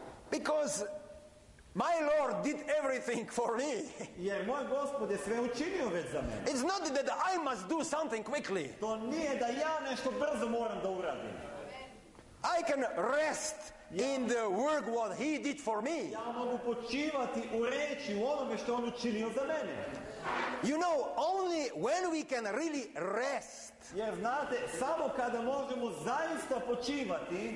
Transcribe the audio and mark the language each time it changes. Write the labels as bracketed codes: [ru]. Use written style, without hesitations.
[en] Because my Lord did everything for me. [sr] Jer moj Gospod je sve učinio već za mene. [en] It's not that I must do something quickly. [sr] To nije da ja nešto brzo moram da uradim. [en] I can rest in the work what he did for me. [sr] Ja mogu počivati u reči u onome što on učinio za mene. [en] You know, only when we can really rest. [sr] Jer znate, samo kada možemo zaista počivati,